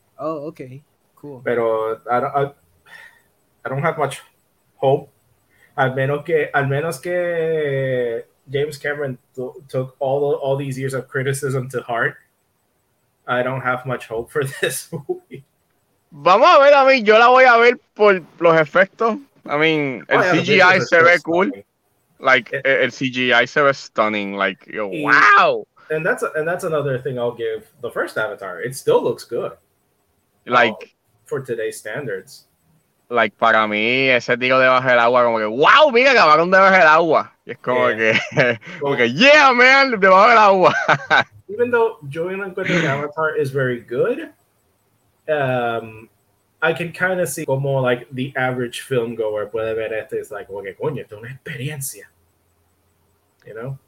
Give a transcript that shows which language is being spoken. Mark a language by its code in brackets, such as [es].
[en] Oh, okay. Cool. Pero I don't have much hope. [es] Al menos que [en] James Cameron took all these years of criticism to heart, I don't have much hope for this movie. [es] Vamos a ver, a mí, yo la voy a ver por los efectos. I mean, el CGI se ve cool. Like, el CGI se ve stunning. Like, yo, wow! [en] And that's another thing I'll give the first Avatar. It still looks good. Like, for today's standards. [es] Like, para mí, ese tío debajo del agua, como que, wow, mira, acabaron debajo del agua. Y es como que, yeah, man, debajo del agua. [en] Even though Julian Lin's Avatar is very good, I can kind of see como like the average film goer [es] puede ver esto, [en] es like, okay, [es] coño, esto es una experiencia, [en] you know?